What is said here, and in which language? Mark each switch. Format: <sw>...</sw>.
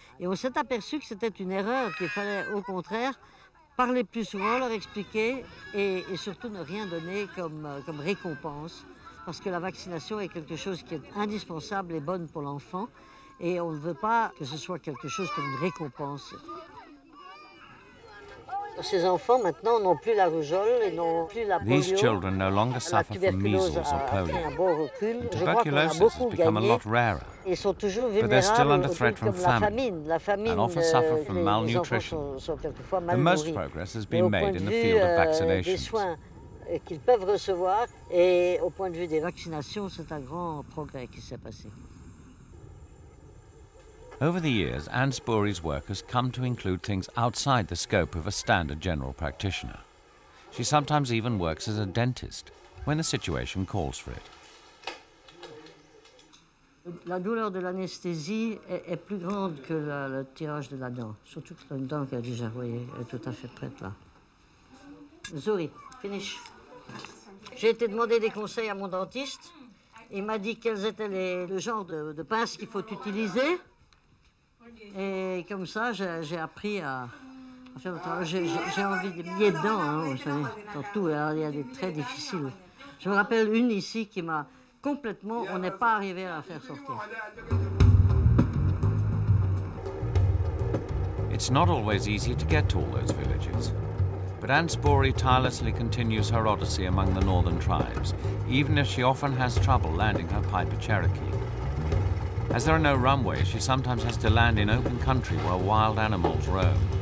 <fr>Et on s'est aperçu que c'était une erreur, qu'il fallait au contraire parler plus souvent, leur expliquer et surtout ne rien donner comme récompense parce que la vaccination est quelque chose qui est indispensable et bonne pour l'enfant et on ne veut pas que ce soit quelque chose comme une récompense. Ces enfants maintenant n'ont plus la rougeole et n'ont plus la polio.</fr> <en>These children no longer suffer from measles or polio. Tuberculosis has become a lot rarer.</en> <fr>Ils sont toujours</fr> <en>vulnérables. But they're still under threat from</en> <fr>famine. La famine.</fr> <en>And often suffer from malnutrition. The most progress has been made in the field of vaccinations.</en> <fr>Des soins qu'ils peuvent recevoir et au point de vue des vaccinations, c'est un grand progrès qui s'est passé.</fr> <en>Over the years, Anne Spoerry's work has come to include things outside the scope of a standard general practitioner. She sometimes even works as a dentist when the situation calls for it.</en> <fr>La douleur de l'anesthésie est plus grande que le tirage de la dent, surtout que la dent qui a déjà rouillé est tout à fait prête là. Zuri, finish. J'ai été demander des conseils à mon dentiste. Il m'a dit quels étaient le genre de pinces qu'il faut utiliser. Et comme ça, j'ai appris à faire le travail. J'ai envie de mettre dedans, hein, vous savez, dans tout. Alors, il y a des très difficiles. Je me rappelle une ici qui m'a complètement. On n'est pas arrivé à la faire sortir.</fr> <en>It's not always easy to get to all those villages, but Anne Spoerry tirelessly continues her odyssey among the northern tribes, even if she often has trouble landing her Piper Cherokee. As there are no runways, she sometimes has to land in open country where wild animals roam.</en>